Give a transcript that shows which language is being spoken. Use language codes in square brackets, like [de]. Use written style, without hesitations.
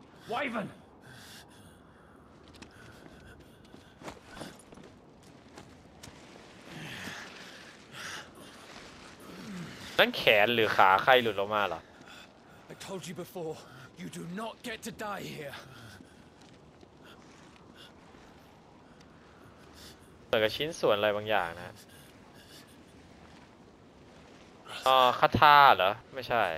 [en] Wyvern [th] นั่นแขนหรือขาใครหลุดออกมาเหรอ [en] I told you before you do not get to die here [th] เหมือนกับชิ้นส่วนอะไรบางอย่างนะคาถาเหรอไม่ใช